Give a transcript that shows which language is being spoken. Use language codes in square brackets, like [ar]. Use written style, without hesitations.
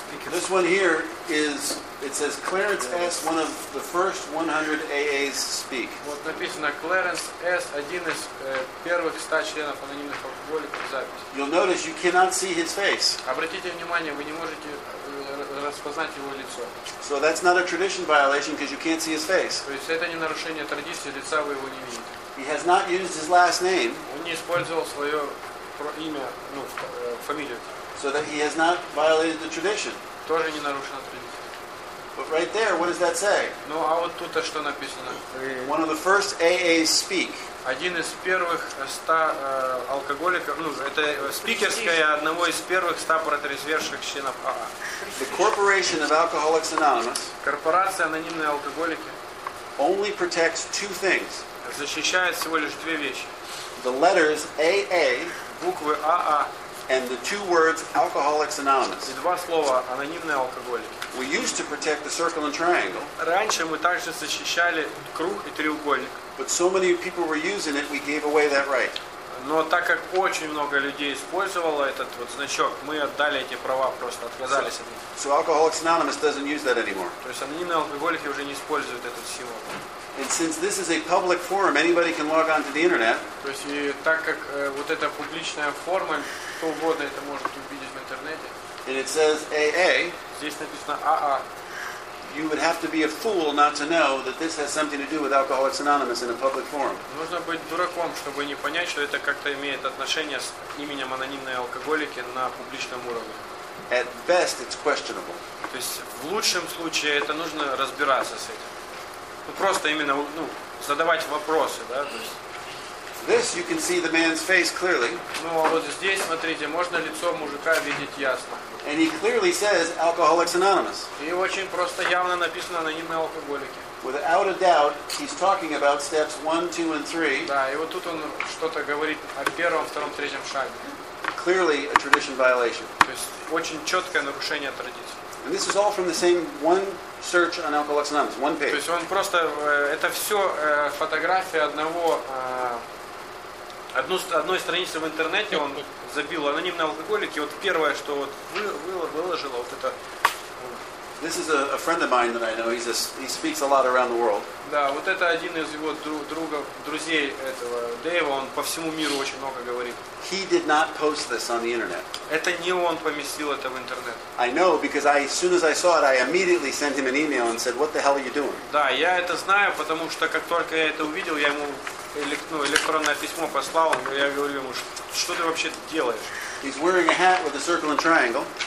[en] This one here is, it says Clarence S., one of the first 100 AAs speak. [ru] Вот написано Clarence S., один из первых 100 членов анонимных алкоголиков, запись. [en] You'll notice you cannot see his face. [ru] Обратите внимание, вы не можете распознать его лицо. [en] So that's not a tradition violation because you can't see his face. [ru] То есть это не нарушение традиции, лица вы его не видите. [en] He has not used his last name. [ru] Он не использовал свое имя, ну, фамилию. [en] So that he has not violated the tradition. [ru] Тоже не нарушена традиция. [en] But right there, what does that say? [ru] Ну, а вот тут-то что написано? [en] One of the first AAs speak. [ru] Один из первых 100 алкоголиков, ну, это спикерская одного из первых 100 протрезвевших членов АА. [en] The Corporation of Alcoholics Anonymous. [ru] Корпорация анонимные алкоголики. [en] Only protects two things. [ru] Защищает всего лишь две вещи. [en] The letters AA. [ru] Буквы АА. [en] And the two words Alcoholics Anonymous. [ru] И два слова анонимные алкоголики. [en] We used to protect the circle and triangle. [ru] Раньше мы также защищали круг и треугольник. [en] But so many people were using it, we gave away that right. [ru] Но так как очень много людей использовало этот вот значок, мы отдали эти права, просто отказались от них. [en] So Alcoholics Anonymous doesn't use that anymore. [ru] То есть анонимные алкоголики уже не используют этот символ. [en] And since this is a public forum, anybody can log on to the internet. [ru] То есть, так как вот эта публичная форма, кто угодно это может увидеть в интернете. [en] And it says AA. [ru] Здесь написано AA. [en] You would have to be a fool not to know that this has something to do with Alcoholics Anonymous in a public forum. [ru] Нужно быть дураком, чтобы не понять, что это как-то имеет отношение с именем анонимные алкоголики на публичном уровне. [en] At best, it's questionable. [ru] То есть, в лучшем случае, это нужно разбираться с этим. Ну, просто именно, ну, задавать вопросы, да, то есть. [en] This you can see the man's face clearly. [ru] Ну, а вот здесь, смотрите, можно лицо мужика видеть ясно. [en] And he clearly says Alcoholics Anonymous. [ru] И очень просто явно написано анонимные алкоголики. [en] Without a doubt, he's talking about steps 1, 2, and 3. [ru] Да, и вот тут он что-то говорит о первом, втором, третьем шаге. [en] Clearly a tradition violation. [ru] То есть очень четкое нарушение традиции. [en] And this is all from the same one search on Alcoholics Anonymous, one page. [ru] То есть он просто это все фотография одного одной страницы в интернете он забил анонимные алкоголики. Вот первое, что вот выложило вот это. [en] This is a friend of mine that I know. He speaks a lot around the world. [ru] Да, вот это один из его друзей этого Дэйва. Он по всему миру очень много говорит. [en] He did not post this on the internet. [ru] Это не он поместил это в интернет. [en] I know because as soon as I saw it, I immediately sent him an email and said, "What the hell are you doing?" [ru] Да, я это знаю, потому что как только я это увидел, я ему электронное письмо послал. Я говорю ему, что ты вообще делаешь? [en] He's wearing a hat with a circle and triangle.